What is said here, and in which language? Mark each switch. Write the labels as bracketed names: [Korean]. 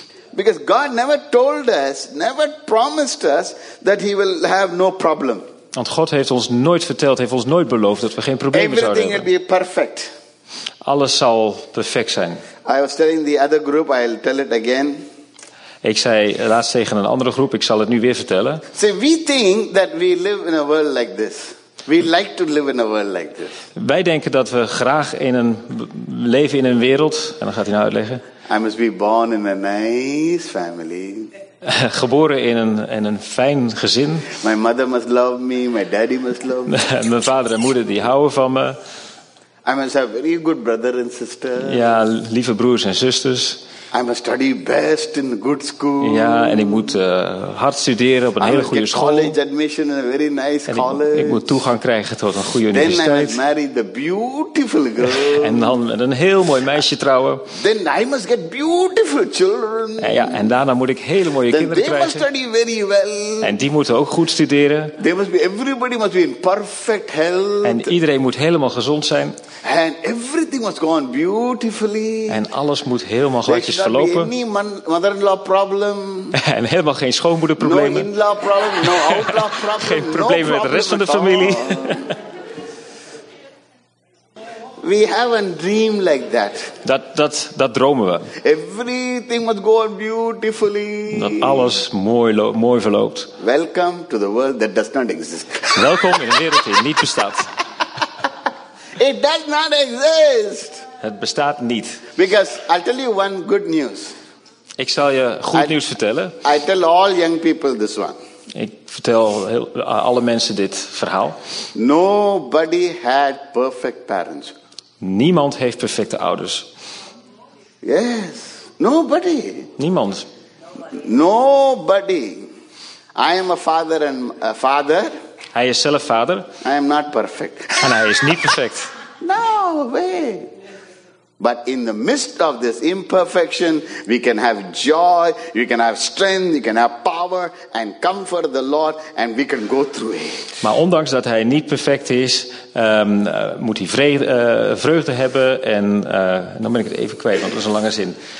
[English] Because God never told us, never promised us that he will have no problem. [Dutch] Want God heeft ons nooit verteld, heeft ons nooit beloofd dat we geen problemen [English] Everything [Dutch] zouden hebben. [English] Will be perfect. [Dutch] Alles zal perfect zijn. [English] I was telling the other group, I'll tell it again. [Dutch] Ik zei laatst tegen een andere groep, ik zal het nu weer vertellen. [English] See, we think that we live in a world like this. We like to live in a world like this. [Dutch] Wij denken dat we graag in een leven in een wereld. En dan gaat hij nou uitleggen. [English] I must be born in a nice family. [Dutch] Geboren in een fijn gezin. [English] My mother must love me, my daddy must love me. [Dutch] Mijn vader en moeder die houden van me. [English] I must have very good brother and sister. [Dutch] Ja, lieve broers en zusters. [English] I must study best in a good school. [Dutch] Ja, en ik moet hard studeren op een [English] I [Dutch] hele goede school. [English] College admission in a very nice [Dutch] en [English] college. [Dutch] Ik moet toegang krijgen tot een goede [English] Then [Dutch] universiteit. [English] I must marry the beautiful girl. [Dutch] En dan met een heel mooi meisje trouwen. [English] Then I must get beautiful children. [Dutch] Ja, en daarna moet ik hele mooie [English] Then [Dutch] kinderen [English] they [Dutch] krijgen. [English] Must study very well. [Dutch] En die moeten ook goed studeren. [English] They must be, everybody must be in perfect health. [Dutch] En iedereen moet helemaal gezond zijn. [English] And everything must go on beautifully. [Dutch] En alles moet helemaal gelijk. [English] Is [Dutch] verlopen. [English] Any mother-in-law problem. [Dutch] En helemaal geen schoonmoederproblemen. [English] No in-law problem, no out-law problem, [Dutch] geen problemen [English] no problem [Dutch] met de rest van de familie. [English] We have a dream like that. [Dutch] Dat dromen we. [English] Everything must go on beautifully. [Dutch] Dat alles mooi verloopt. [English] Welcome to the world that does not exist. [Dutch] Welkom in een wereld die niet bestaat. [English] It does not exist. [Dutch] Het bestaat niet. [English] Because I'll tell you one good news. [Dutch] Ik zal je goed nieuws vertellen. [English] I tell all young people this one. [Dutch] Ik vertel alle mensen dit verhaal. [English] Nobody had perfect parents. [Dutch] Niemand heeft perfecte ouders. [English] Yes. Nobody. [Dutch] Niemand. [English] Nobody. I am a father and a father. [Dutch] Hij is zelf vader. [English] I am not perfect. [Dutch] En hij is niet perfect. [English] No way. But in the midst of this imperfection, we can have joy, we can have strength, we can have power and comfort the Lord, and we can go through it. [Dutch] Maar ondanks dat hij niet perfect is, moet hij vreugde hebben en dan ben ik het even kwijt, want dat is een lange zin.